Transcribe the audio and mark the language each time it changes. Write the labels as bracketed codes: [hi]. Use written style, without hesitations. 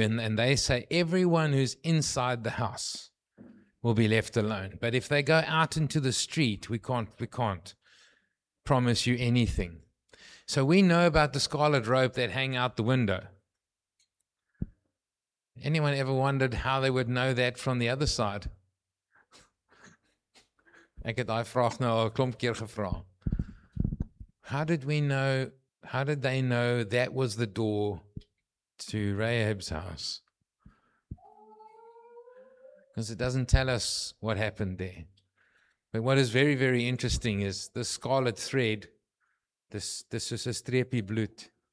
[en] And they say, everyone who's inside the house will be left alone. But if they go out into the street, we can't. promise you anything. So we know about the scarlet rope that hang out the window. Anyone ever wondered how they would know that from the other side? [af] Ek het daai vraag nou al 'n klomp keer gevra. [en] How did they know that was the door to Rahab's house? Because it doesn't tell us what happened there. But what is very, very interesting is the scarlet thread, this is a [af] streepie bloed.